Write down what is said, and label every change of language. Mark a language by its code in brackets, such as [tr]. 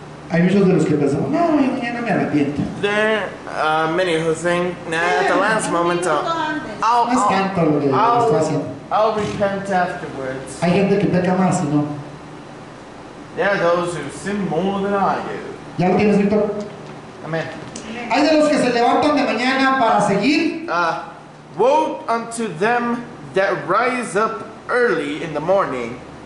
[es] Hay muchos de los que pensamos, no, mañana me arrepiento. [en] There are many who think, nah, at the last moment, I'll repent afterwards. [es] Hay gente que peca más, ¿no? [en] There are those who sin more than I do. [es] ¿Ya lo tienes, Víctor? [en] Amen. [es] Hay de los que se levantan de mañana para seguir. [en] Woe unto them that rise up early in the morning.